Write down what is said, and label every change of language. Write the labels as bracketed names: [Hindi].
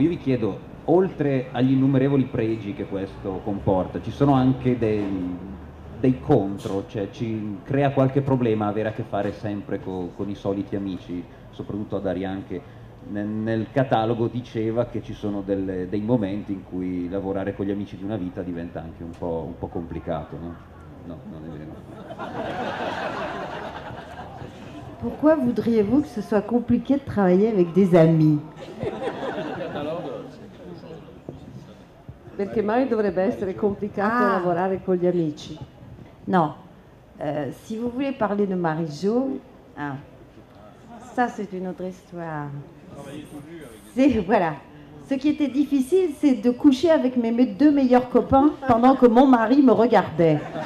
[Italian] Io vi chiedo, oltre agli innumerevoli pregi che questo comporta, ci sono anche dei contro, cioè ci crea qualche problema avere a che fare sempre con i soliti amici, soprattutto ad Arian, che nel catalogo diceva che ci sono dei momenti in cui lavorare con gli amici di una vita diventa anche un po' complicato, no? No, non è vero. [French] Pourquoi voudriez-vous que ce soit compliqué de travailler avec des amis? [Italian] Perché mai dovrebbe essere complicato lavorare con gli amici? [French] No, si vous voulez parler de Marie-Jo, ça c'est une autre histoire. C'est, voilà, ce qui était difficile, c'est de coucher avec mes deux meilleurs copains pendant que mon mari me regardait.